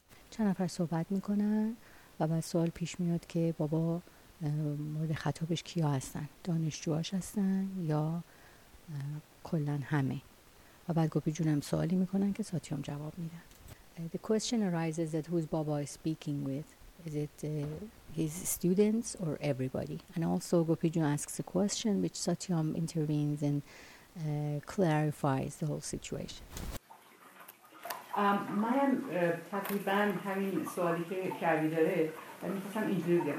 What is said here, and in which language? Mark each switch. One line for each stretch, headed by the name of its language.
Persian: چند نفر صحبت میکنن و بعد سوال پیش میاد که بابا مورد خطابش کیا هستن؟ دانشجوهاش هستن یا کلن همه؟ و بعد گوپی جونم سوالی میکنن که ساتیام جواب میدن.
English: The question arises that who's Baba is speaking with? Is it his students or everybody? And also Gopi Jun asks a question which Satyam intervenes and clarifies the whole situation.
Persian: من هم تقریبا همین سوالی که کردی داره و میخواستم اینجوری بگم.